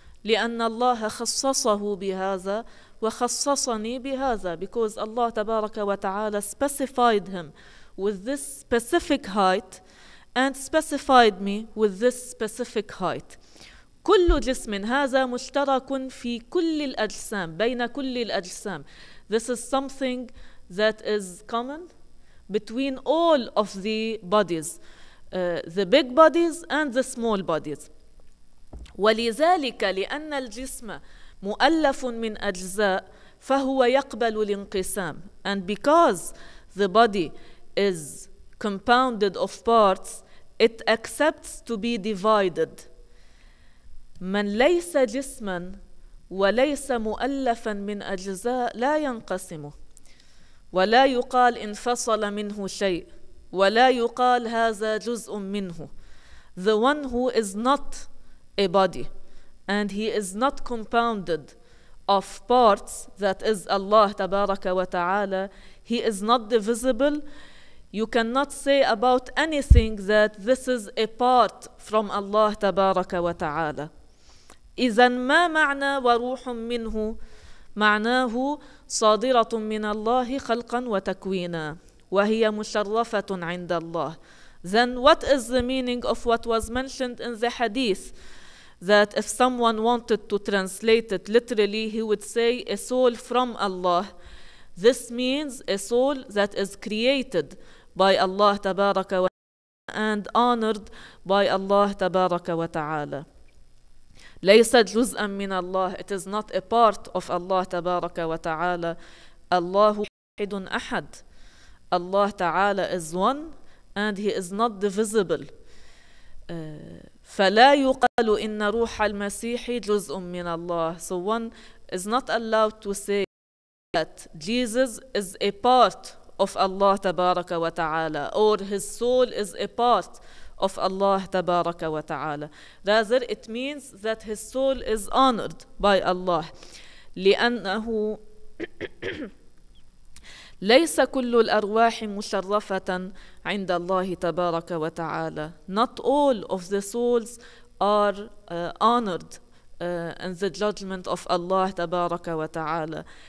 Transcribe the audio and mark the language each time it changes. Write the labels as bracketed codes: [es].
[ar] لأن الله خصصه بهذا وخصصني بهذا. [en] Because Allah [ar] تبارك وتعالى [en] specified him with this specific height and specified me with this specific height. [ar] كل جسم هذا مشترك في كل الأجسام بين كل الأجسام. [en] This is something that is common between all of the bodies, the big bodies and the small bodies. [ar] ولذلك لأن الجسم مؤلف من أجزاء فهو يقبل الانقسام. [en] And because the body is compounded of parts, it accepts to be divided. [ar] من ليس جسما وليس مؤلفا من أجزاء لا ينقسم ولا يقال انفصل منه شيء ولا يقال هذا جزء منه. [en] The one who is not a body and he is not compounded of parts, that is Allah [ar] تبارك وتعالى, [en] he is not divisible. You cannot say about anything that this is a part from Allah [ar] تبارك وتعالى. إذن ما معنى وروح منه؟ معناه صادرة من الله خلقا وتكوينا وهي مشرفة عند الله. [en] Then what is the meaning of what was mentioned in the hadith that if someone wanted to translate it literally, he would say a soul from Allah. This means a soul that is created by Allah [ar] تبارك وتعالى [en] and honored by Allah تبارك وتعالى. [ar] ليس جزءا من الله. [en] It is not a part of Allah [ar] تبارك وتعالى. الله واحد أحد. [en] الله تعالى is one and he is not divisible. [ar] فلا يقال إن روح المسيح جزء من الله. [en] So one is not allowed to say that Jesus is a part of Allah [ar] تبارك وتعالى [en] or his soul is a part of Allah تبارك وتعالى. Rather, it means that his soul is honored by Allah. [ar] لأنه ليس كل الأرواح مشرفة عند الله تبارك وتعالى. [en] Not all of the souls are honored in the judgment of Allah [ar] تبارك وتعالى.